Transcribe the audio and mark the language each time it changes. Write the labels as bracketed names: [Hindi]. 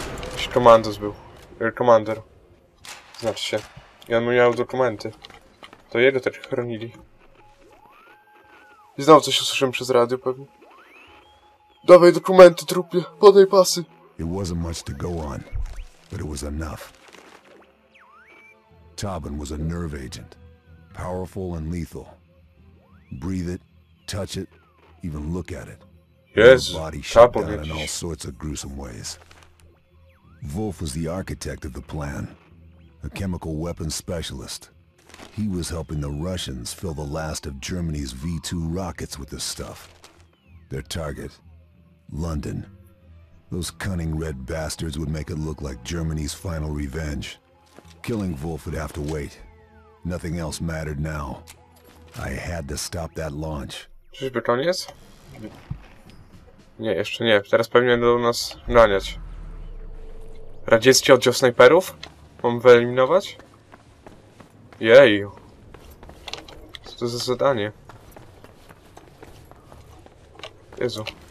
[Polish] Jakiś komandos był. Commander. Znaczy się. I on miał dokumenty. To jego też chronili. I znowu coś usłyszałem przez radio pewnie. Dawaj dokumenty, trupie. Podaj pasy. [English] It wasn't much to go on, but it was enough. Tobin was a nerve agent, powerful and lethal. Breathe it, touch it, even look at it. Yes, your body shut down in all sorts of gruesome ways. Wolf was the architect of the plan, a chemical weapons specialist. He was helping the Russians fill the last of Germany's V-2 rockets with this stuff. Their target, London. Those cunning red bastards would make it look like Germany's final revenge. Killing Wolf would have to wait. Nothing else mattered now. I had to stop that launch. [Polish] Czyżby koniec? Nie, jeszcze nie. Teraz pewnie będą nas naniać. Radziecki oddział snajperów? Mam wyeliminować? Jej. Co to za zadanie? Jezu.